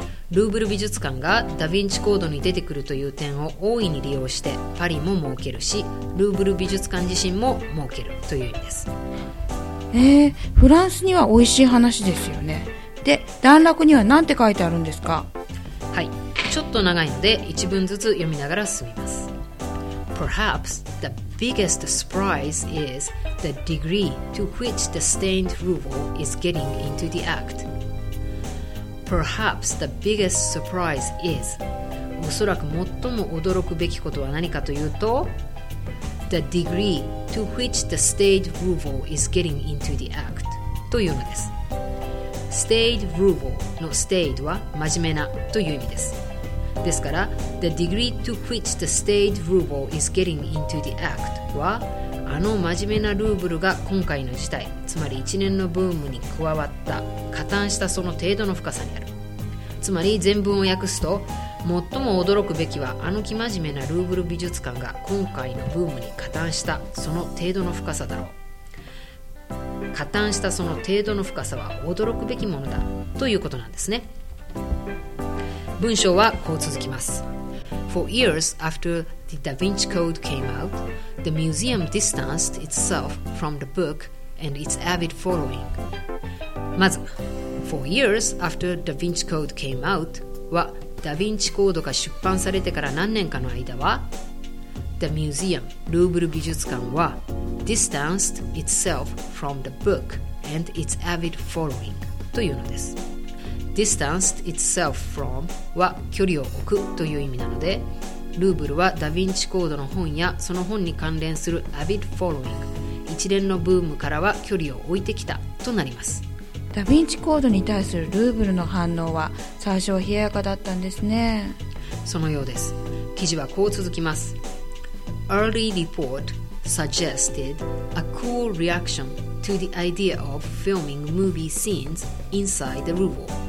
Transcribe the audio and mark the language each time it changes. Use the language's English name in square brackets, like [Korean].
[Japanese] ルーブル美術館がダヴィンチコードに出てくるという点を大いに利用してパリも儲けるし、ルーブル美術館自身も儲けるという意味です。フランスには美味しい話ですよね。で、段落には何て書いてあるんですか？はい、ちょっと長いので一文ずつ読みながら進みます。 [English] Perhaps the biggest surprise is the degree to which the stained ruble is getting into the actPerhaps the biggest surprise is [Japanese] おそらく最も驚くべきことは何かというと、 [English] The degree to which the stained ruble is getting into the act [Japanese] というのです。 Stained ruble の stained は真面目なという意味です。ですから [English] The degree to which the stained ruble is getting into the act [Japanese] は、あの真面目なルーブルが今回の事態、つまり一年のブームに加わった、加担したその程度の深さにある。つまり全文を訳すと、最も驚くべきはあの生真面目なルーブル美術館が今回のブームに加担したその程度の深さだろう、加担したその程度の深さは驚くべきものだということなんですね。文章はこう続きます。 [English] For years after the Da Vinci Code came out, the museum distanced itself from the book and its avid following. [Japanese] まず、 [English] For years after Da Vinci Code came out [Japanese] は、Da Vinci Code が出版されてから何年かの間は、 [English] The museum, [Japanese] ルーブル美術館は、 [English] distanced itself from the book and its avid following [Japanese] というのです。 [English] Distanced itself from [Japanese] は距離を置くという意味なので、ルーブルはダヴィンチコードの本やその本に関連する avid following、 一連のブームからは距離を置いてきたとなります。ダヴィンチコードに対するルーブルの反応は最初は冷ややかだったんですね。そのようです。記事はこう続きます。 [English] Early report suggested a cool reaction to the idea of filming movie scenes inside the Ruble.